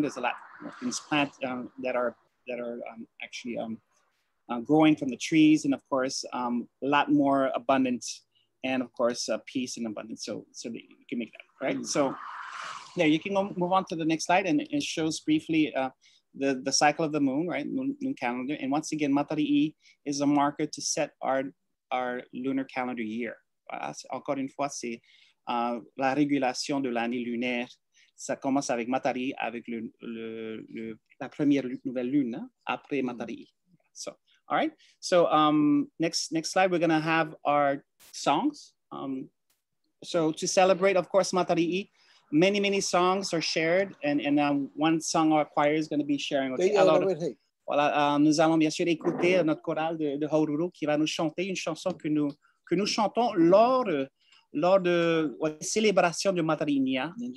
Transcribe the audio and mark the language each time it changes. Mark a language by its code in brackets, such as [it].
[en] There's a lot more things plant that are actually growing from the trees, and of course, a lot more abundant, and of course, peace and abundance. So that you can make that right. Mm-hmm. So, yeah, you can move on to the next slide, and it shows briefly the cycle of the moon, right? Moon calendar, and once again, Matariʻi is a marker to set our lunar calendar year. [fr] Encore une fois, c'est la régulation de l'année lunaire. Ça commence avec Matariʼi, avec la première nouvelle lune, après Matariʼi. So, [en] All right. So next slide, we're gonna have our songs. So to celebrate, of course, Matariʻi, many, many songs are shared, and one song our choir is gonna be sharing. Okay. [fr] Nous allons bien sûr écouter notre chorale de Haururu qui va nous chanter une chanson que nous chantons lors de la célébration de Matariʻi.